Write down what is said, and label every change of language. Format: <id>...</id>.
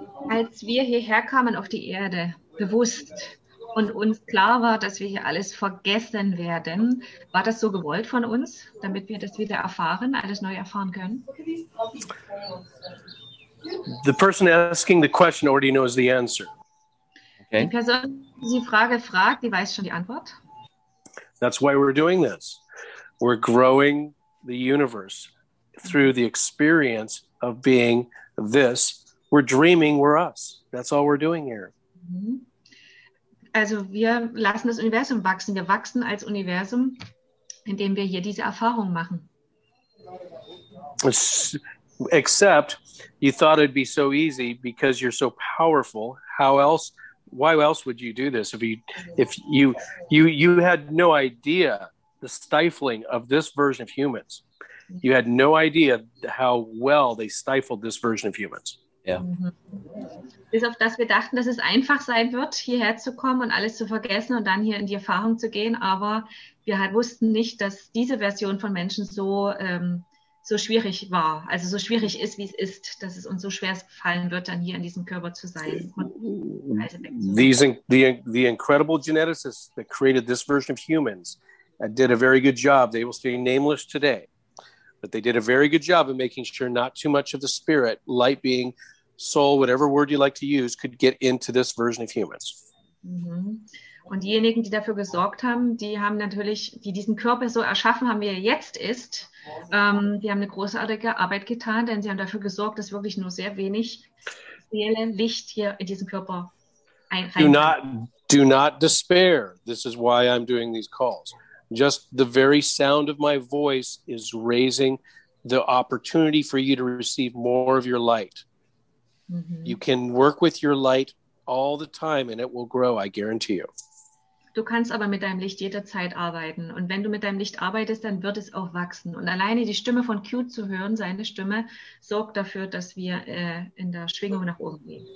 <de>Als wir hierher kamen auf die Erde, bewusst und uns klar war, dass wir hier alles vergessen werden, war das so gewollt von uns, damit wir das wieder erfahren, alles neu erfahren können?</de> <en>The person asking the question already knows the answer. Okay.</en> <de>Die Person, die die Frage fragt, die weiß schon die Antwort.</de> <en>That's why we're doing this. We're growing the universe through the experience of being this. We're dreaming we're us. That's all we're doing here.</en> <de>Also wir lassen das Universum wachsen. Wir wachsen als Universum, indem wir hier diese Erfahrung machen.</de> <en>Except you thought it'd be so easy because you're so powerful. How else... Why else would you do this if you had no idea the stifling of this version of humans? You had no idea how well they stifled this version of humans. Yeah.</en> <de>Bis auf das wir dachten, dass es einfach sein wird, hierher zu kommen und alles zu vergessen und dann hier in die Erfahrung zu gehen, aber wir halt wussten nicht, dass diese Version von Menschen so so schwierig war, also so schwierig ist, wie es ist, dass es uns so schwer fallen wird, dann hier in diesem Körper zu sein.</de> <en>The incredible geneticists that created this version of humans did a very good job. They will stay nameless today, but they did a very good job of making sure not too much of the spirit, light being, soul, whatever word you like to use, could get into this version of humans. Mm-hmm.</en> <de>Und diejenigen, die dafür gesorgt haben, die haben natürlich, die diesen Körper so erschaffen haben, wie er jetzt ist, die haben eine großartige Arbeit getan, denn sie haben dafür gesorgt, dass wirklich nur sehr wenig Seele, Licht hier in diesen Körper einreicht.</de> <en>Do not despair. This is why I'm doing these calls. Just the very sound of my voice is raising the opportunity for you to receive more of your light. Mm-hmm. You can work with your light all the time and it will grow, I guarantee you.</en> <de>Du kannst aber mit deinem Licht jederzeit arbeiten und wenn du mit deinem Licht arbeitest, dann wird es auch wachsen und alleine die Stimme von Q zu hören, seine Stimme, sorgt dafür, dass wir in der Schwingung nach oben gehen.</de>